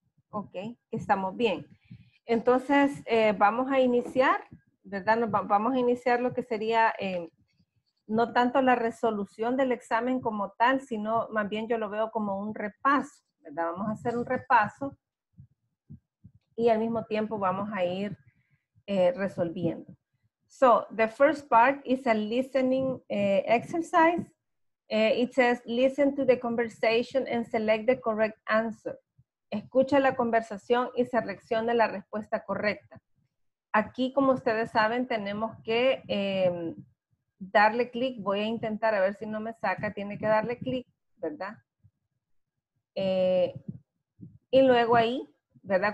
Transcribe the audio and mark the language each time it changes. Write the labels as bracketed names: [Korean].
[Spanish] Ok, estamos bien. Entonces, vamos a iniciar, ¿verdad? Vamos a iniciar lo que sería no tanto la resolución del examen como tal, sino más bien yo lo veo como un repaso, ¿verdad? Vamos a hacer un repaso y al mismo tiempo vamos a ir resolviendo. [English] So, the first part is a listening exercise. It says, listen to the conversation and select the correct answer. [Spanish] Escucha la conversación y seleccione la respuesta correcta. Aquí, como ustedes saben, tenemos que darle clic. Voy a intentar a ver si no me saca. Tiene que darle clic, ¿verdad? Y luego ahí, ¿verdad?